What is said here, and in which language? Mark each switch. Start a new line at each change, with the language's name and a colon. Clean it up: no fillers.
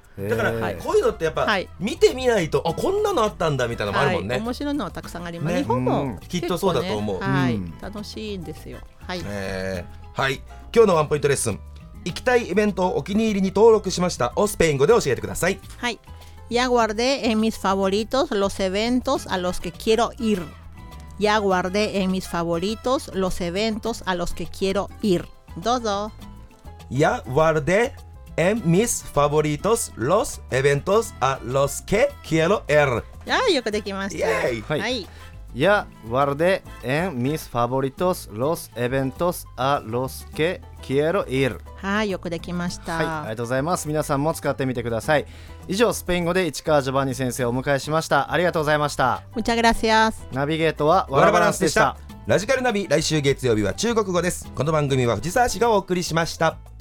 Japanese: だから、こういうのってやっぱ見てみないと、こんなのあったんだみたいなのもあるもんね、面白いのはたくさんあります、ね、日本も、ね、きっとそうだと思う、楽しいんですよ、はい。はい、今日のワンポイントレッスン、行きたいイベントをお気に入りに登録しましたをスペイン語で教えてください。
Spanish: はい、Ya guardé en mis favoritos los eventos a los que quiero ir. Ya guardé en mis favoritos los eventos a los que quiero ir.
Japanese: どうぞ。
Spanish: Ya guardéEn mis favoritos los eventos a los que quiero ir.
Japanese: Ya, よくできました。はい。
Spanish: Ya guardé en mis favoritos los eventos a los que quiero ir.
Japanese: はい、よくできました。はい、ありがとうございます。皆さんも使ってみてください。以上、スペイン語で市川ジョバンニ先生をお迎えしました。ありがとうございました。
Spanish: Muchas gracias.
Japanese: ナビゲートはワラバランスでした。ラジカルナビ、来週月曜日は中国語です。この番組は藤沢市がお送りしました。